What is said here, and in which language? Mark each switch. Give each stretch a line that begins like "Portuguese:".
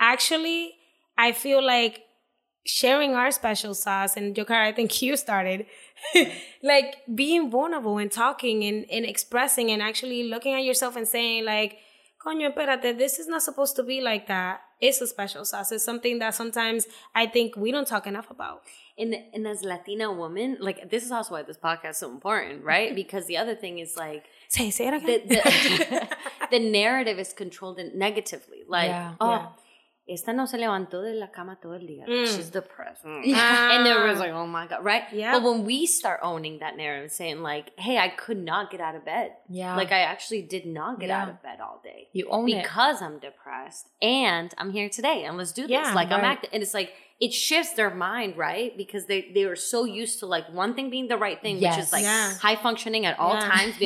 English: Actually, I feel like sharing our special sauce, and Jokara, I think you started, like being vulnerable and talking and expressing and actually looking at yourself and saying like,
Spanish: coño, espérate,
English: this is not supposed to be like that. It's a special sauce. It's something that sometimes I think we don't talk enough about. And as Latina woman, like, this is also why this podcast is so important, right? Because the other thing is like, say it again. The narrative is controlled negatively.
Spanish: Like, esta no se levantó de la cama todo el día.
English: She's depressed. And everyone's like, oh my God, right? Yeah. But when we start owning that narrative and saying like, hey, I could not get out of bed. Yeah. Like, I actually did not get out of bed all day. You own it. Because I'm depressed and I'm here today and let's do this. Yeah, like, right. I'm acting. And it's like, it shifts their mind, right? Because they are so used to like one thing being the right thing, which is like high functioning at all times.